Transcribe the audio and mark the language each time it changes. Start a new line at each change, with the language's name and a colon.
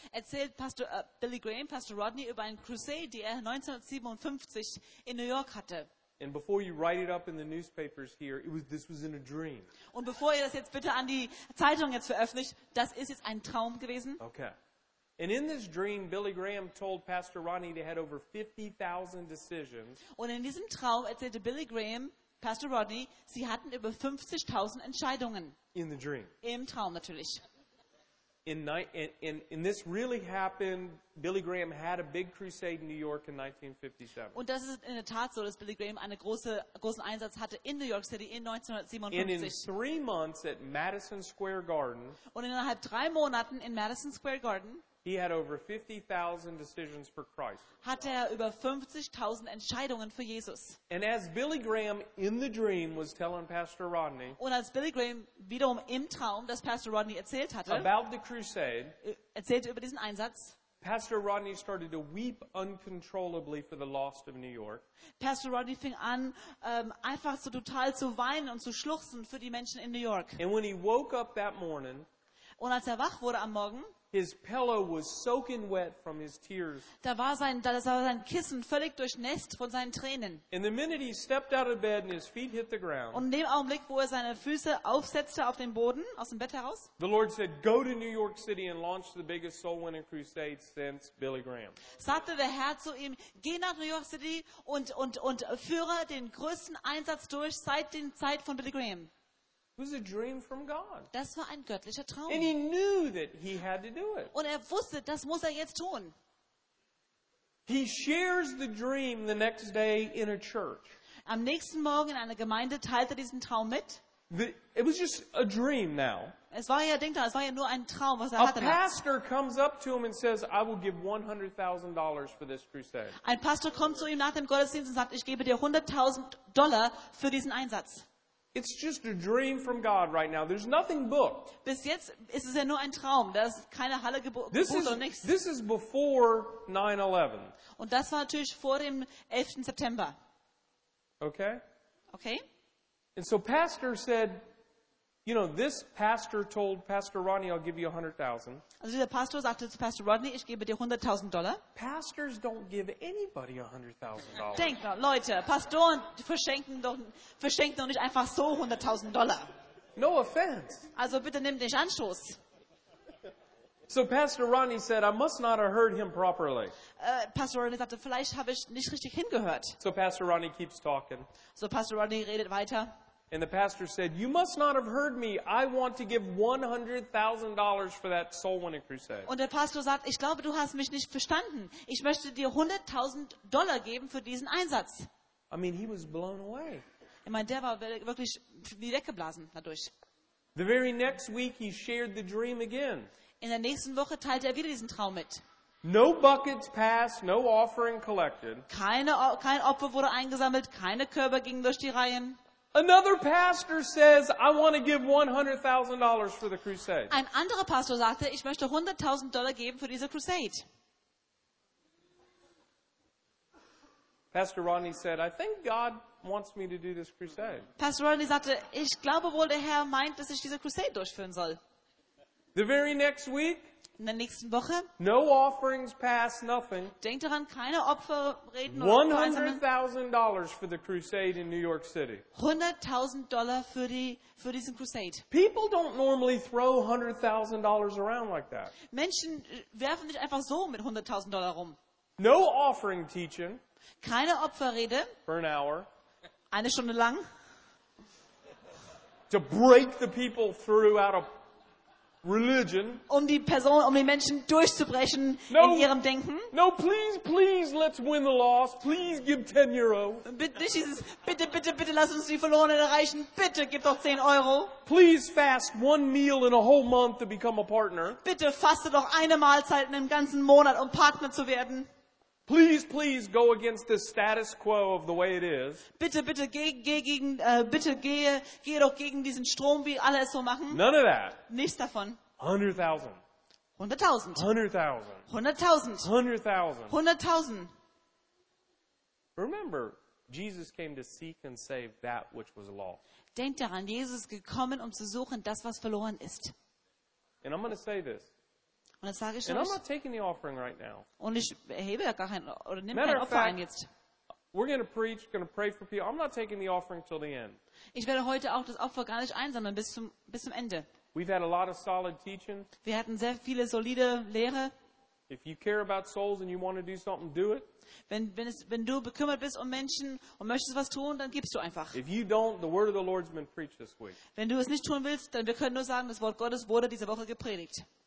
German: Erzählt Pastor Billy Graham Pastor Rodney über einen Crusade, die er 1957 in New York hatte.
English: And before you write it up in the newspapers here, this was in a dream.
German: Und bevor ihr das jetzt bitte an die Zeitung jetzt veröffentlicht, das ist jetzt ein Traum gewesen. Okay.
English: And in this dream, Billy Graham told Pastor Rodney they had over 50,000 decisions.
German: Und in diesem Traum erzählte Billy Graham Pastor Rodney, sie hatten über 50,000 Entscheidungen.
English: In the dream.
German: Im Traum natürlich.
English: And this really happened. Billy Graham had a big crusade in New York in 1957.
German: Und das ist in der Tat so, dass Billy Graham einen großen Einsatz hatte in New York City in 1957.
English: And in 3 months at Madison Square Garden.
German: Und innerhalb 3 Monaten in Madison Square Garden.
English: He had over 50,000 decisions for Christ.
German: Hatte er über 50,000 Entscheidungen für Jesus.
English: And as Billy Graham in the dream was telling Pastor Rodney.
German: Und als Billy Graham wiederum im Traum, das Pastor Rodney erzählt hatte.
English: About the crusade.
German: Erzählte über diesen Einsatz.
English: Pastor Rodney started to weep uncontrollably for the lost of New York.
German: Pastor Rodney fing an, einfach so total zu weinen und zu schluchzen für die Menschen in New York.
English: And when he woke up that morning.
German: Und als er wach wurde am Morgen.
English: His pillow was soaking wet from his tears.
German: Da war sein Kissen völlig durchnässt von seinen Tränen.
English: And the minute he stepped out of bed and his feet hit the ground.
German: Und in dem Augenblick, wo er seine Füße aufsetzte auf den Boden aus dem Bett heraus.
English: The Lord said, "Go to New York City and launch the biggest soul-winning crusade since Billy Graham."
German: Sagte der Herr zu ihm, geh nach New York City und führe den größten Einsatz durch seit der Zeit von Billy Graham.
English: was a dream from God.
German: Das war ein göttlicher Traum.
English: And he knew that he had to do it.
German: Und er wusste, das muss er jetzt tun.
English: He shares the dream the next day in a church.
German: Am nächsten Morgen in einer Gemeinde teilt er diesen Traum mit.
English: It was just a dream now.
German: Es war ja, denkt er, es war ja nur ein Traum, was er a hatte.
English: A pastor comes up to him and says, "I will give $100,000 for this crusade."
German: Ein Pastor kommt zu ihm nach dem Gottesdienst und sagt, ich gebe dir $100,000 für diesen Einsatz.
English: It's just a dream from God right now. There's nothing booked.
German: Bis jetzt ist es ja nur ein Traum. Da ist keine Halle gebucht oder nichts.
English: This is before 9/11.
German: Und das war natürlich vor dem 11. September. Okay. Okay.
English: And so Pastor said, you know, this pastor told Pastor Rodney, I'll give you $100,000.
German: Also dieser Pastor sagte zu Pastor Rodney, ich gebe dir $100,000.
English: Pastors don't give anybody $100,000.
German: Denk mal, Leute, Pastoren verschenken doch nicht einfach so $100,000.
English: No offense.
German: Also bitte nimm nicht Anstoß.
English: So Pastor Rodney said, I must not have heard him properly.
German: Pastor Rodney sagte, vielleicht habe ich nicht richtig hingehört.
English: So Pastor Rodney keeps talking.
German: So Pastor Rodney redet weiter.
English: And the pastor said, you must not have heard me. I want to give $100,000 for that soul winning crusade.
German: Und der Pastor sagt, ich glaube, du hast mich nicht verstanden. Ich möchte dir $100,000 geben für diesen Einsatz.
English: I mean, he was blown away.
German: Ich meine, der war wirklich wie weggeblasen dadurch.
English: The very next week he shared the dream again.
German: In der nächsten Woche teilte er wieder diesen Traum mit.
English: No buckets passed, no offering collected.
German: Kein Opfer wurde eingesammelt, keine Körbe gingen durch die Reihen.
English: Another pastor says, I want to give $100,000 for the crusade.
German: Ein anderer Pastor sagte, ich möchte $100,000 geben für diese Crusade.
English: Pastor Rodney said, I think God wants me to do this crusade.
German: Pastor Rodney sagte, ich glaube wohl, der Herr meint, dass ich diese Crusade durchführen soll.
English: The very next week,
German: in der nächsten Woche,
English: no offerings pass, nothing.
German: Denkt daran, keine Opfer reden.
English: $100,000 for the crusade in New York City.
German: $100,000 für diesen Crusade.
English: People don't normally throw $100,000 around like that.
German: Menschen werfen nicht einfach so mit $100,000 rum.
English: No offering teaching.
German: Keine Opferrede.
English: For an hour.
German: Eine Stunde lang.
English: To break the people through out of religion.
German: Um die Person, um die Menschen durchzubrechen,
English: no,
German: in ihrem Denken.
English: No, please, let's win the loss. Please give 10 Euro.
German: Bitte, lass uns die Verlorenen erreichen. Bitte, gib doch 10 Euro.
English: Please fast one meal in a whole month to become a partner.
German: Bitte faste doch eine Mahlzeit in einem ganzen Monat, um Partner zu werden.
English: Please go against the status quo of the way it is.
German: Bitte gehe doch gegen diesen Strom, wie alle es so machen.
English: None of that.
German: Nichts davon. 100,000. 100,000. 100,000. 100,000. 100,000. 100,000.
English: Remember, Jesus came to seek and save that which was lost.
German: Denkt daran, Jesus ist gekommen, um zu suchen, das was verloren ist.
English: And I'm going to say this.
German: Und das sage ich
English: and I'm not taking the offering right now.
German: Und ich erhebe ja gar kein oder nehme kein Opfer ein jetzt.
English: We're going to preach, going to pray for people. I'm not taking the offering till the end.
German: Ich werde heute auch das Opfer gar nicht einsammeln bis zum Ende.
English: We've had a lot of solid teaching.
German: Wir hatten sehr viele solide Lehre.
English: If you care about souls and you want to do something, do it.
German: Wenn du bekümmert bist um Menschen und möchtest was tun, dann gibst du einfach.
English: If you don't, the word of the Lord's been preached this week.
German: Wenn du es nicht tun willst, dann wir können nur sagen, das Wort Gottes wurde diese Woche gepredigt.